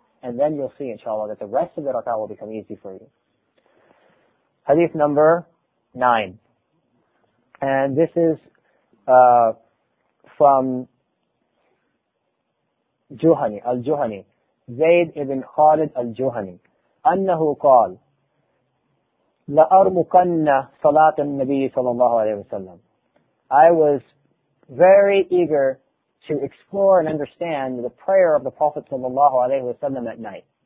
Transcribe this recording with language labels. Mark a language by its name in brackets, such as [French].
[English] And then you'll see, inshallah, that the rest of the rak'ah will become easy for you. Hadith number 9. And this is from Juhani, Al-Juhani. Zayd ibn Khalid Al-Juhani. [Arabic] أنه قال لأرمقن صلاة النبي صلى الله عليه وسلم. [English] I was very eager to explore and understand the prayer of the Prophet صلى الله عليه وسلم at night.